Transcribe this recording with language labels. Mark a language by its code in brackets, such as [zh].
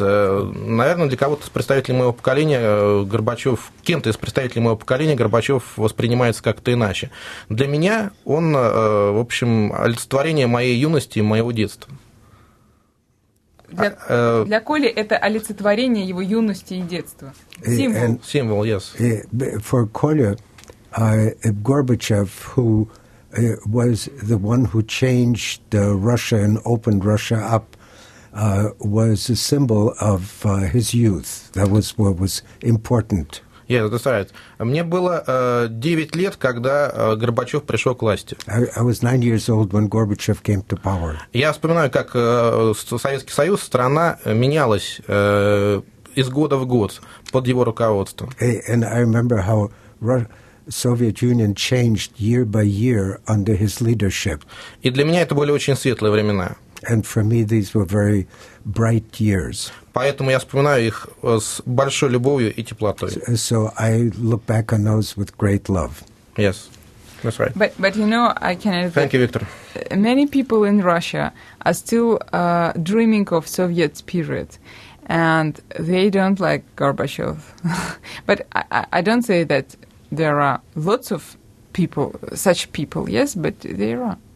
[ru] Наверное, для кого-то из представителей моего поколения Горбачев, кем-то из представителей моего поколения Горбачев воспринимается как-то иначе. Для меня он, в общем, олицетворение моей юности и моего детства. Для Коли это олицетворение его юности и детства. Символ. Символ, yes. [en] For Коля, Gorbachev, who was the one who changed Russia and opened Russia up, was a symbol of his youth. That was what was important. Yes, that's right. [ru] Мне было 9 лет, когда Горбачев пришел к власти. [en] I was 9 years old when Gorbachev came to power. [ru] Я вспоминаю, как Советский Союз, страна менялась из года в год под его руководством. [en] And I remember how Soviet Union changed year by year under his leadership. [ru] И для меня это были очень светлые времена. [en] And for me these were very bright years. [ru] Поэтому я вспоминаю их с большой любовью и теплотой. [en] So I look back on those with great love. Yes, that's right. But you know, I can add thank you, Victor. Many people in Russia are still dreaming of Soviet spirit, and they don't like Gorbachev. But I don't say that there are lots of people, such people, yes, but there are.